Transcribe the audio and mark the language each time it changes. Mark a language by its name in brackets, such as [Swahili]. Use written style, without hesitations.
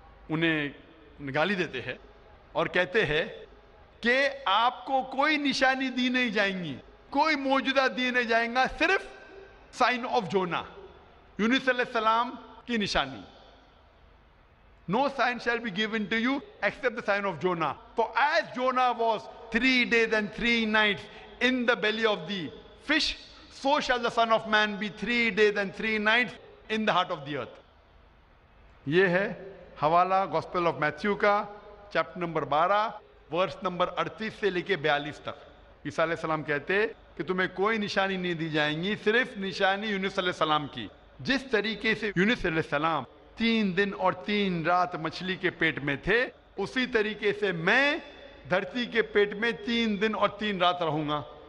[Urdu] انہیں نگالی دیتے ہیں اور کہتے ہیں کہ آپ کو کوئی نشانی دی نہیں جائیں گی, کوئی موجودہ دی نہیں جائیں گا, صرف سائن آف جونا, یونس علیہ السلام کی نشانی. [English] No sign shall be given to you except the sign of Jonah, for as Jonah was three days and three nights in the belly of the fish, so shall the son of man be three days and three nights in the heart of the earth. [Urdu] یہ ہے حوالہ gospel of Matthew کا, chapter number 12 verse number 38 سے لے کے 42 تک. عیسیٰ علیہ السلام کہتے کہ تمہیں کوئی نشانی نہیں دی جائیں گی, صرف نشانی یونس علیہ السلام کی. جس طریقے سے یونس علیہ السلام 3 دن اور 3 رات مچھلی کے پیٹ میں تھے, اسی طریقے سے میں دھرتی کے پیٹ میں 3 دن اور 3 رات رہوں گا.